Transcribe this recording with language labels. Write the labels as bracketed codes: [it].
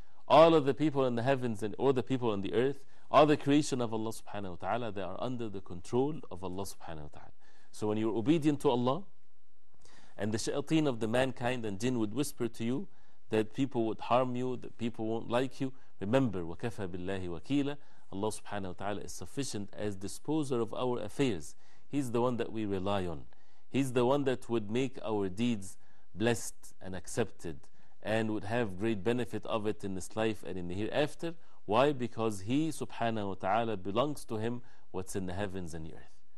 [en] All of the people in the heavens and all the people on the earth are the creation of Allah subhanahu wa ta'ala. They are under the control of Allah subhanahu wa ta'ala. So when you're obedient to Allah, And the shayateen of the mankind and jinn would whisper to you that people would harm you, that people won't like you. Remember, [ar] وَكَفَى بِاللَّهِ وَكِيلًا. [en] Allah subhanahu wa ta'ala is sufficient as disposer of our affairs. He's the one that we rely on. He's the one that would make our deeds blessed and accepted and would have great benefit of it in this life and in the hereafter. Why? Because He subhanahu wa ta'ala belongs to Him what's in the heavens and the earth.